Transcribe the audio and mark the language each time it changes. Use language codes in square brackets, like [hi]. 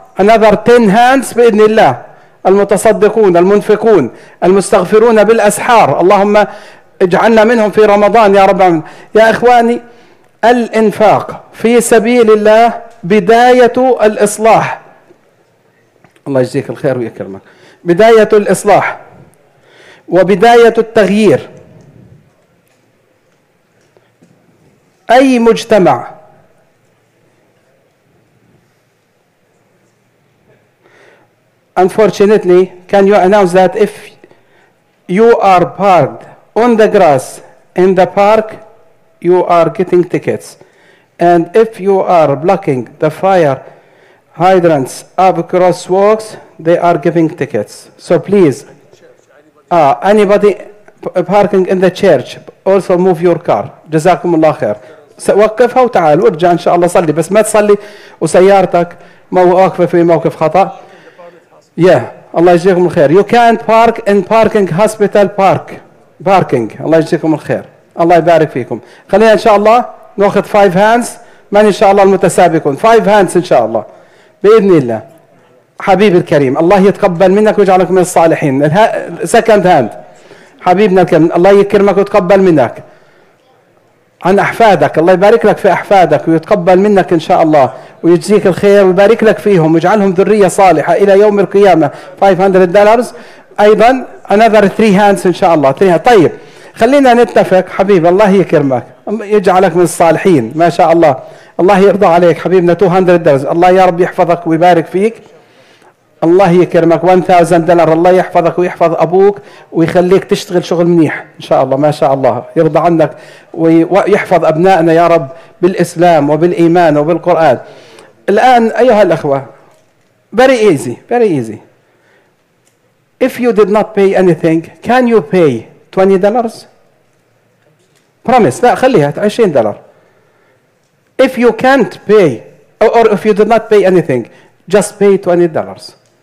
[en] another 10 hands [ar] بإذن الله. المتصدقون، المنفقون، المستغفرون بالأسحار، اللهم اجعلنا منهم في رمضان يا رب. يا إخواني الإنفاق في سبيل الله بداية الإصلاح، الله يجزيك الخير ويكرمك، بداية الإصلاح وبداية التغيير. أي مجتمع [en] unfortunately can you announce that if you are parked on the grass in the park you are getting tickets, and if you are blocking the fire hydrants up crosswalks they are giving tickets. So please anybody parking in the church also move your car. [ar] جزاكم الله خير. وقفها وتعال وارجع ان شاء الله صلي، بس ما تصلي وسيارتك واقفة في موقف خطأ. [en] Yeah, [ar] Allah يجزيكم الخير. [en] You can't park in parking hospital park. Parking. [ar] Allah يجزيكم الخير. Allah يبارك فيكم. خلينا إن شاء الله نأخذ [en] 5 hands. [ar] من إن شاء الله المتسابقون. [en] 5 hands [ar] إن شاء الله. بإذن الله. حبيبي الكريم. الله يتقبل منك ويجعلك من الصالحين. [en] Second hand. [ar] حبيبنا الكريم. الله يكرمك ويتقبل منك. عن أحفادك. الله يبارك لك في أحفادك ويتقبل منك إن شاء الله. ويجزيك الخير ويبارك لك فيهم ويجعلهم ذرية صالحة إلى يوم القيامة. 500 دولار أيضا. [en] another 3 hands [ar] إن شاء الله. طيب خلينا نتفق حبيبي، الله يكرمك يجعلك من الصالحين ما شاء الله. الله يرضى عليك حبيبنا. 200 دولار، الله يا رب يحفظك ويبارك فيك، الله يكرمك. 1000 دولار، الله يحفظك ويحفظ أبوك ويخليك تشتغل شغل منيح إن شاء الله ما شاء الله، يرضى عنك ويحفظ أبنائنا يا رب بالإسلام وبالإيمان وبالقرآن. الآن أيها الأخوة، [en] very easy very easy. If you did not pay anything can you pay 20 dollars promise؟ [ar] لا خليها 20 دولار. [en] If you can't pay or if you did not pay anything just pay 20 dollars.